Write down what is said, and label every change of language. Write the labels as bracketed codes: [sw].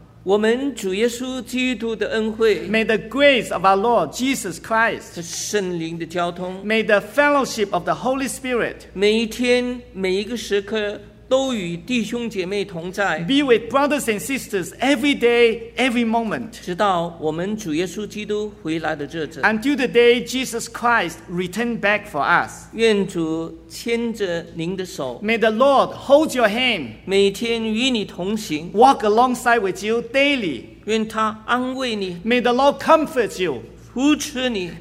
[zh] 我们主耶稣基督的恩惠 [en] May the grace of our Lord Jesus Christ [zh] 圣灵的交通 [en] May the fellowship of the Holy Spirit [zh] 每一天每一个时刻都与弟兄姐妹同在 [en] Be with brothers and sisters every day, every moment [zh] 直到我们主耶稣基督回来的日子 [en] Until the day Jesus Christ returned back for us [zh] 愿主牵着您的手 [en] May the Lord hold your hand [zh] 每天与你同行 [en] Walk alongside with you daily [zh] 愿他安慰你 [en] May the Lord comfort you [zh] 扶持你